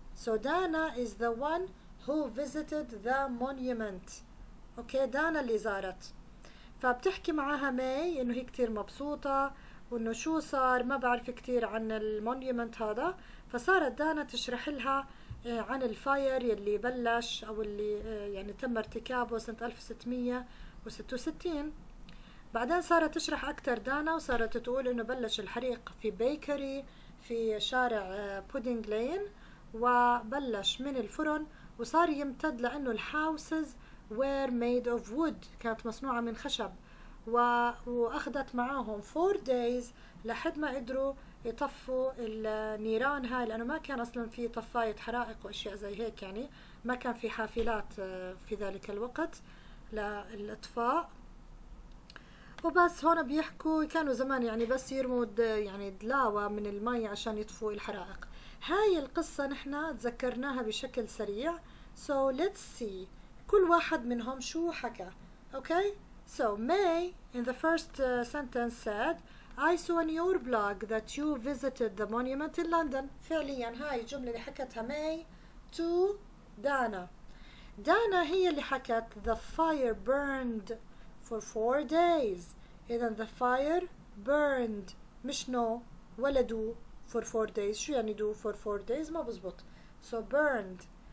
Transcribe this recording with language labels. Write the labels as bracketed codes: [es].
[en] So Dana is the one who visited the monument. [ar] Okay، دانا اللي زارت. فبتحكي معاها ماي انه هي كتير مبسوطة وانه شو صار ما بعرف كتير عن المونيومنت هذا، فصارت دانا تشرح لها عن الفاير يلي بلش او اللي يعني تم ارتكابه سنة 1666. بعدين صارت تشرح اكتر دانا وصارت تقول انه بلش الحريق في بيكري في شارع بودينج لين، وبلش من الفرن وصار يمتد لانه الحاوسز [en] were made of wood، [ar] كانت مصنوعة من خشب، وأخذت معاهم [en] 4 days [ar] لحد ما قدروا يطفوا النيران هاي، لأنه ما كان أصلاً في طفاية حرائق وأشياء زي هيك، يعني ما كان في حافلات في ذلك الوقت للإطفاء. وبس هون بيحكوا كانوا زمان يعني بس يرموا يعني دلاوة من المي عشان يطفوا الحرائق. هاي القصة نحنا تذكرناها بشكل سريع. [en] So let's see [ar] كل واحد منهم شو حكى. [en] Okay، so May in the first sentence said I saw on your blog that you visited the monument in London. [ar] فعليا هاي الجملة اللي حكتها May [en] to Dana. Dana [ar] هي اللي حكت [en] the fire burned for 4 days. [ar] إذا [en] the fire burned [ar] مش [en] no [ar] ولا [en] do for 4 days. [ar] شو يعني do for 4 days؟ ما بزبط. [en] So burned.